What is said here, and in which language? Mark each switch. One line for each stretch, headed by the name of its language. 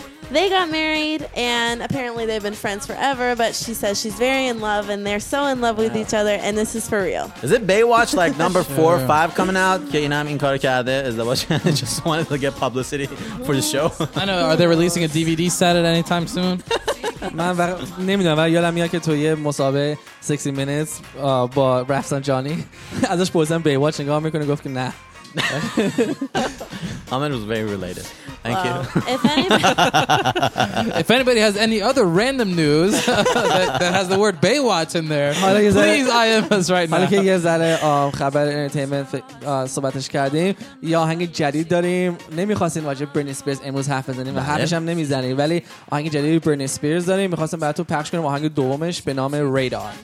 English: They got married, and apparently they've been friends forever, but she says she's very in love, and they're so in love with each other, and this is for real. Is it Baywatch, like, number 4 or 5 coming out? You know, I mean, Carter Cade, is that what you just wanted to get publicity for the show? I know. Are they releasing a DVD set at any time soon?
Persian: من نمیدونم ولی یادم میاد که تو یه مسابقه 60 Minutes با رفسان جانی ازش پرسیدن Baywatch نگاه میکنه گفت که نه.
English: Ahmed was very related. Thank you. If anybody has any other random news that has the word Baywatch in there, please IM us right now.
Persian: حالا که یه ذره خبر انترتینمنت صحبتش کردیم، یا آهنگ جدید داریم. نمیخواستین واجه برنی سپیرز امروز حرف بزنیم و حرفش هم نمیزنیم، ولی آهنگ جدید برنی سپیرز داریم. میخواستم براتون پخش کنم آهنگ دومش به نام Radar.